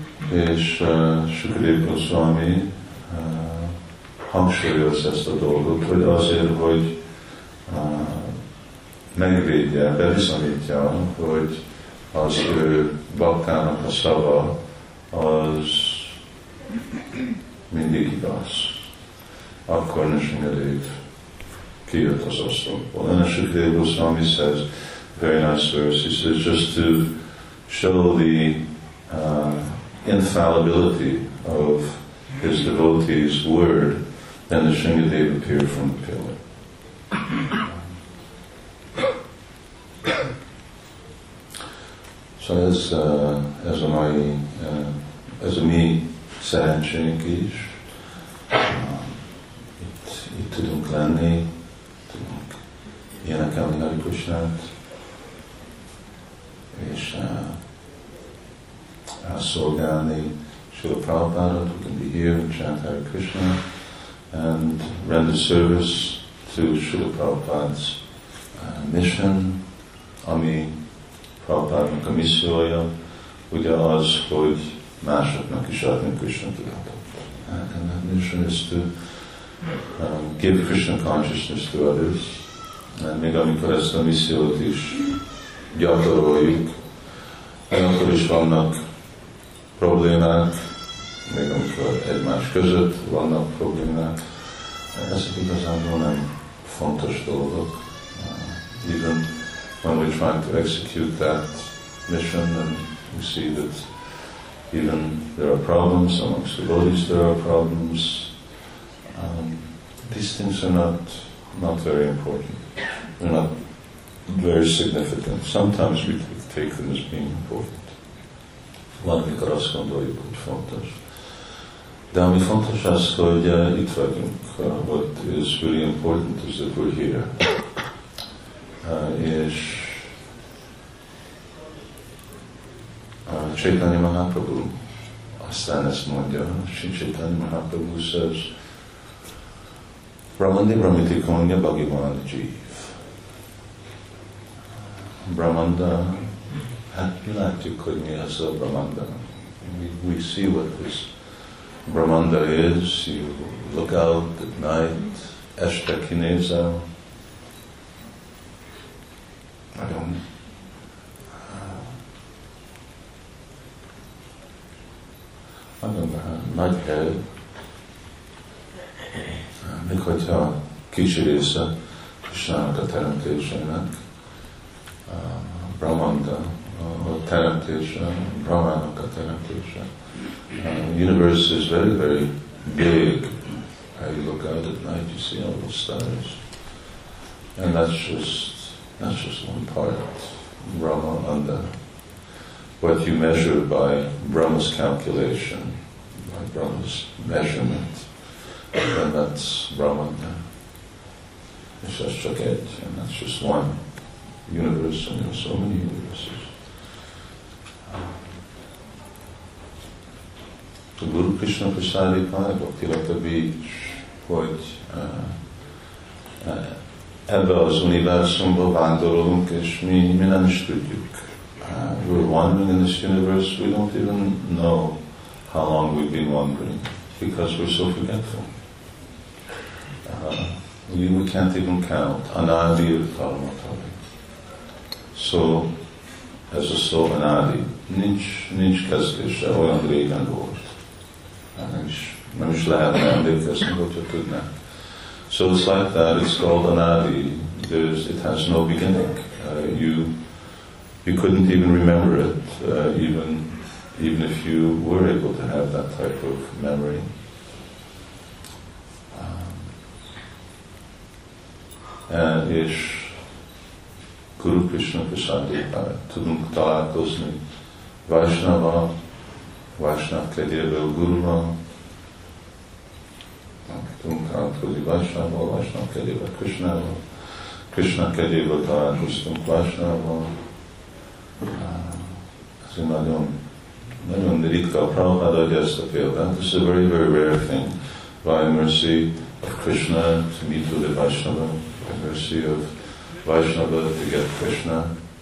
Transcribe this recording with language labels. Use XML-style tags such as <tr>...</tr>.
<hu>És Sukadev Goswami hangsúlyozza ezt a dolgot, hogy azért, hogy megvédje, bebizonyítja, hogy az ő baktának a szava az mindig igaz. Akkor ne sengedélyt kijött az oszlopból.</hu> <en>Ön a Sukadev Goswami says, very nice verse, he says, just to show the infallibility of his devotee's word, then the Shingadeva appeared from the pillar.</en> <hu>So ez a mai, ez a mi szerencsénk is, itt tudunk lenni, tudunk énekelni Hari Krisnát, és szolgálni Srila Prabhupada,</hu> <en>we can be here and chant Hare Krishna and render service to Srila Prabhupada's mission,</en> <hu>ami Prabhupada-nak a missziója, ugye az, hogy másoknak is adni Krishna tudatot.</hu> <en>And that mission is to give Krishna consciousness to others.</en> <hu>And még amikor ezt a missziót is gyakoroljuk, akkor is vannak problémák, még amikor egymás között vannak problémák. Ezek igazából nem fontos dolgok.</hu> <en>Even when we're trying to execute that mission, then we see that even there are problems, amongst the bodies there are problems. These things are not very important. They're not very significant. Sometimes we take them as being important.</en> <hu>Van, mikor azt gondoljuk, hogy fontos. De ami fontos az, hogy itt vagyunk.</hu> <en>What is really important is that we're here.</en> <hu>És Chaitanya Mahaprabhu aztán ezt mondja.</hu> <en>Chaitanya Mahaprabhu says, Brahmandi Brahmiti Konya Bhagavan Jeev.</en> <hu>Brahmanda, hát mi látjuk, hogy mi ez a Brahmanda.</hu> <en>We see what this Brahmanda is. You look out at night,</en> <hu>este kinézel. Nagyon nagy hely. Még hogyha kicsi része Krisnának a teremtésének, Brahmanda, a teremtése, Brahmának a teremtése.</hu> <en>Universe is very, very big. How you look out at night, you see all the stars. And that's just one part, Brahma under. What you measure by Brahma's calculation, by Brahma's measurement, and that's Brahma under. It's just a gate, and that's just one universe, and there are so many universes.</en> <hu>A Guru Krishna Prasadi Pai Bhakti Lata Beach, hogy ebbe az univerzumba vándorolunk, és mi nem is tudjuk.</hu> <en>We're wandering in this universe, we don't even know how long we've been wandering, because we're so forgetful. We can't even count. Anadi Paramatari.</en> <hu>So, ez a szó anadi, nincs kezdése, olyan régen volt. Nem is lehetne emlékezni, hogyha tudnánk.</hu> <en>So it's like that, it's called anadi. It has no beginning. You couldn't even remember it, even if you were able to have that type of memory.</en> <hu>És Guru Krishna Prasadipa, tudunk találkozni Vaishnava, Vaishnav kegyéből Guruval, tudunk találkozni Vaishnavval, Vaishnav kegyéből Krishnával, Krishna kegyéből találkoztunk Vaishnavval. Ez egy nagyon Nagyon ritka a Prabhupada adja ezt a példát.</hu> <en>This is a very, very rare thing. By mercy of Krishna to meet with the Vaishnava. By mercy of Vaishnava to get Krishna.</en>